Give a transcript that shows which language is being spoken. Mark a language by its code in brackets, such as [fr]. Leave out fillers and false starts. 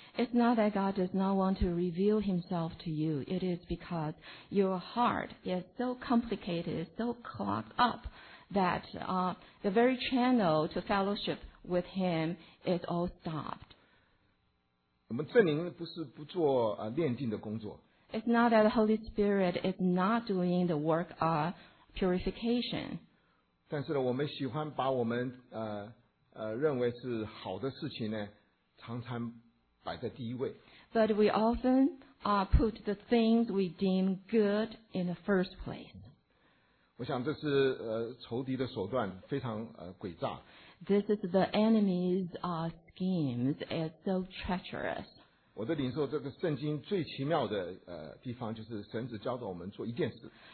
[en] It's not that God does not want to reveal Himself to you. It is because your heart is so complicated, so clogged up that the very channel to fellowship with Him is all stopped. [zh] 我们圣灵不是不做炼净的工作。 [en] It's not that the Holy Spirit is not doing the work of purification. [zh] 但是呢，我们喜欢把我们认为是好的事情呢，常常摆在第一位。 [en] But we often put the things we deem good in the first place. [zh] 我想这是仇敌的手段，非常诡诈。 [en] This is the enemy's schemes. It's so treacherous. [zh] 我的领受这个圣经最奇妙的地方就是神只教导我们做一件事。